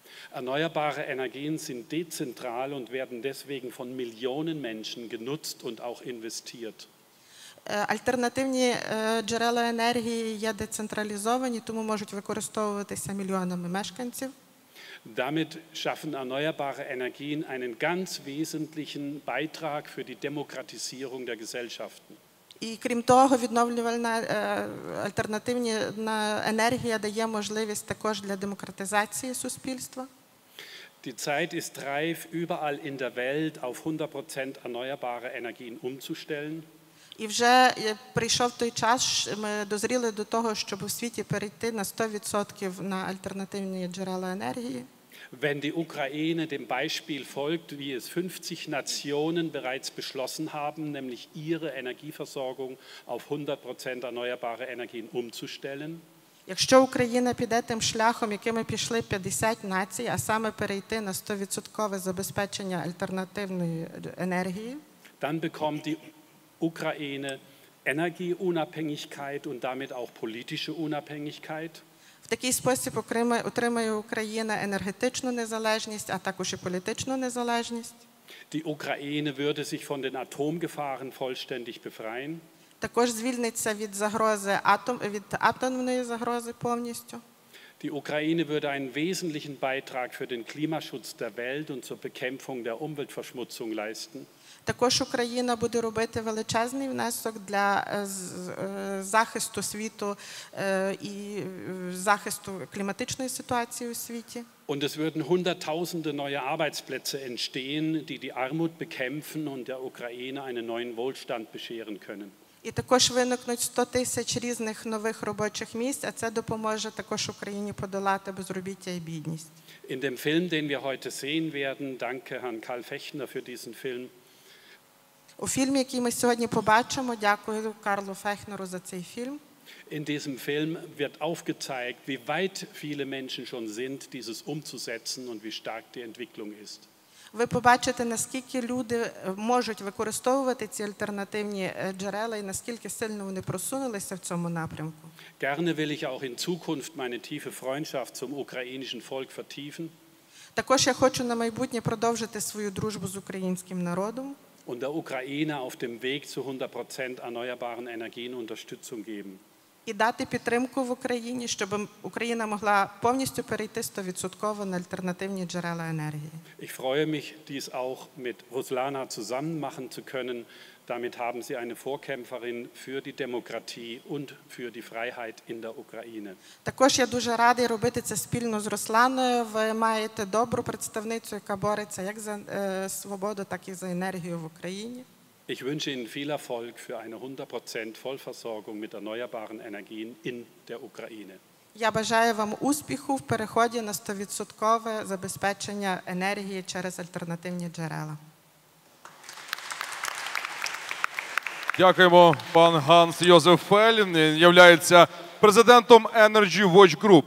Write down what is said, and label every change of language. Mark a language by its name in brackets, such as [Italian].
[German] Erneuerbare Energien sind dezentral und werden deswegen von Millionen Menschen genutzt und auch investiert. [Ukrainian] Альтернативні джерела енергії є децентралізовані, тому можуть використовуватися мільйонами мешканців. [German] Damit schaffen erneuerbare Energien einen ganz wesentlichen Beitrag für die Demokratisierung der Gesellschaften. [Ukrainian] І крім того, відновлювальна альтернативна енергія дає можливість також для демократизації суспільства. [German] Die Zeit ist reif, überall in der Welt auf 100% erneuerbare Energien umzustellen. [Ukrainian] І вже прийшов той час, ми дозріли до того, щоб у світі перейти на 100% на альтернативні джерела енергії. [German] Wenn die Ukraine dem Beispiel folgt, wie es 50 Nationen bereits beschlossen haben, nämlich ihre Energieversorgung auf 100% erneuerbare Energien umzustellen. [Ukrainian] Якщо Україна піде тим шляхом, яким пішли 50 націй, а саме перейти на 100% забезпечення альтернативної енергії, [German] dann bekommt die Ukraine Energieunabhängigkeit und damit auch politische Unabhängigkeit. [Ukrainian] В такий спосіб отримає Україна енергетичну незалежність, а також і політичну незалежність. [German] Die Ukraine würde sich von den Atomgefahren vollständig befreien. [Ukrainian] Також звільниться від загрози атомної загрози повністю. [German] Die Ukraine würde einen wesentlichen Beitrag für den Klimaschutz der Welt und zur Bekämpfung der Umweltverschmutzung leisten. [Ukrainian] Також Україна буде робити величезний внесок для захисту світу і захисту кліматичної ситуації у світі. [German] Und es würden hunderttausende neue Arbeitsplätze entstehen, die die Armut bekämpfen und der Ukraine einen neuen Wohlstand bescheren können. [Ukrainian] І також виникнуть 100 тисяч різних нових робочих місць, а це допоможе також Україні подолати безробіття і бідність. [German] In dem Film, den wir heute sehen werden, danke Herrn Carl-A.Fechner für diesen Film. [Ukrainian] У фільмі, який ми сьогодні побачимо, дякую Карлу Фехнеру за цей фільм. [German] In diesem Film wird aufgezeigt, wie weit viele Menschen schon sind, dieses umzusetzen und wie stark die Entwicklung ist. [Ukrainian] Ви побачите, наскільки люди можуть використовувати ці альтернативні джерела і наскільки сильно вони просунулися в цьому напрямку. [German] Gerne will ich auch in Zukunft meine tiefe Freundschaft zum ukrainischen Volk vertiefen. [Ukrainian] Також я хочу на майбутнє продовжити свою дружбу з українським народом. [German] Und der Ukraine auf dem Weg zu 100% erneuerbaren Energien Unterstützung geben. [Ukrainian] І дати підтримку в Україні, щоб Україна могла повністю перейти 100% на альтернативні джерела енергії. [German] Ich freue mich, dies auch mit Ruslana zusammen machen zu können. Damit haben Sie eine Vorkämpferin für die Demokratie und für die Freiheit in der Ukraine. [Ukrainian] Також я дуже радий робити це спільно з Русланою. Ви маєте добру представницю, яка бореться як за свободу, так і за енергію в Україні. [German] Ich wünsche Ihnen viel Erfolg für eine 100% Vollversorgung mit erneuerbaren Energien in der Ukraine. [Ukrainian] Я бажаю вам успіху в переході на 100% забезпечення енергії через альтернативні джерела. Дякуємо, пан Ганс Йозеф Фельм. Він являється президентом Energy Watch Group.